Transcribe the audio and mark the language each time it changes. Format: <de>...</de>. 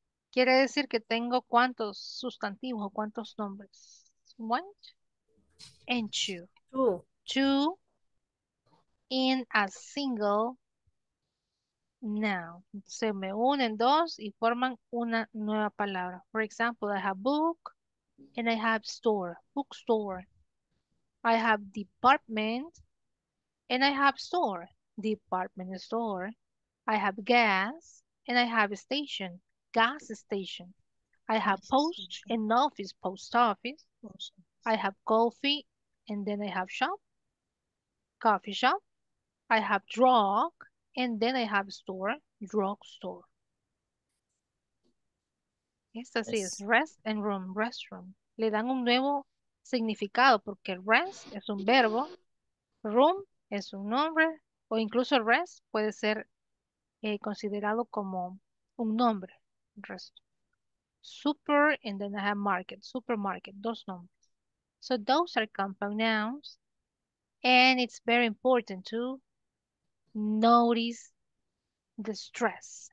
<es>Quiere decir que tengo cuántos sustantivos o cuántos nombres.</es> <en>One and two. Two. Two in a single noun.</en> <es>Se me unen dos y forman una nueva palabra.</es> <en>For example, I have book and I have store. Bookstore. I have department and I have store. Department store. I have gas and I have station. Gas station. I have post and office. Post office. I have coffee and then I have shop. Coffee shop. I have drug and then I have store. Drug store.</en> <es>Esta sí es</es> <en>rest and room. Restroom.</en> <es>Le dan un nuevo significado porque rest es un verbo. Room es un nombre. O incluso rest puede ser considerado como un nombre.</es> <en>Rest. Super and then I have market. Supermarket.</en> <es>Dos nombres.</es> <en>So those are compound nouns, and it's very important to notice the stress.</en>